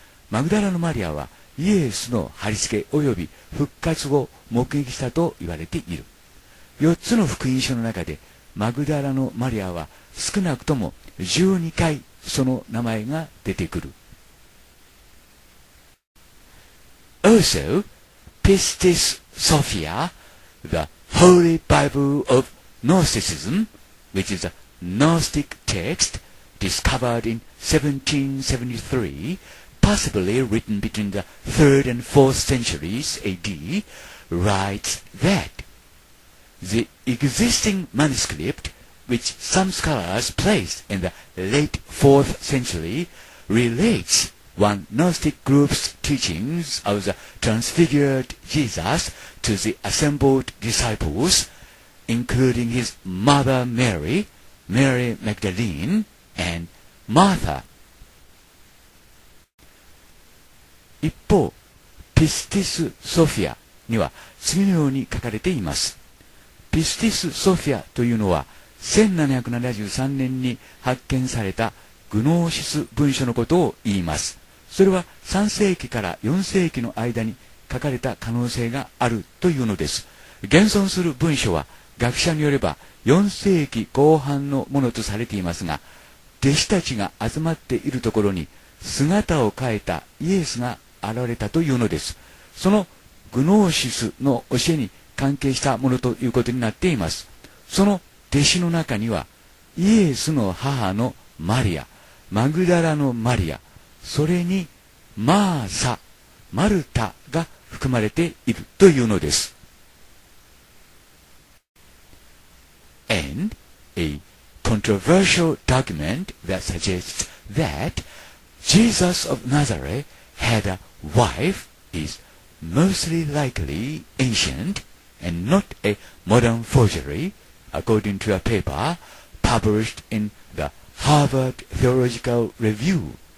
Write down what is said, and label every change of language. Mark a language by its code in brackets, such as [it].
[ja] マグダラのマリアはイエスの貼り付け及び復活を目撃したと言われている。 4つの福音書の中でマグダラのマリアは少なくとも12回その名前が出てくる。 [en] Also, Pistis Sophia, the Holy Bible of Gnosticism, which is a Gnostic text discovered in 1773,possibly written between the 3rd and 4th centuries AD, writes that the existing manuscript, which some scholars place in the late 4th century, relates one Gnostic group's teachings of the transfigured Jesus to the assembled disciples, including his mother Mary, Mary Magdalene, and Martha. [ja] 一方、ピスティス・ソフィアには次のように書かれています。ピスティス・ソフィアというのは、1773年に発見されたグノーシス文書のことを言います。それは3世紀から4世紀の間に書かれた可能性があるというのです。現存する文書は学者によれば4世紀後半のものとされていますが、弟子たちが集まっているところに姿を変えたイエスが現れたというのです。そのグノーシスの教えに関係したものということになっています。その弟子の中にはイエスの母のマリア、マグダラのマリア、それにマーサ、マルタが含まれているというのです。 [en] And a controversial document that suggests that Jesus of Nazareth had a wife is mostly likely ancient and not a modern forgery, according to a paper published in the Harvard Theological Review.